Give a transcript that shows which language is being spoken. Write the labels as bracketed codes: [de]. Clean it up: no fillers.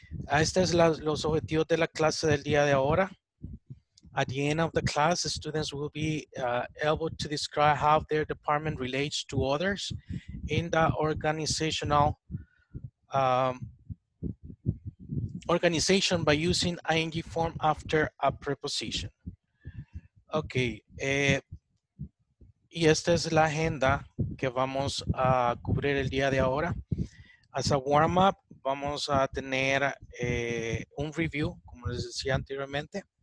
[es] Este es los objetivos de la clase del día de ahora. [en] At the end of the class, the students will be able to describe how their department relates to others in the organizational organization by using ing form after a preposition. [es] Okay, y esta es la agenda que vamos a cubrir el día de ahora. [en] As a warm up, [es] vamos a tener un review, como les decía anteriormente.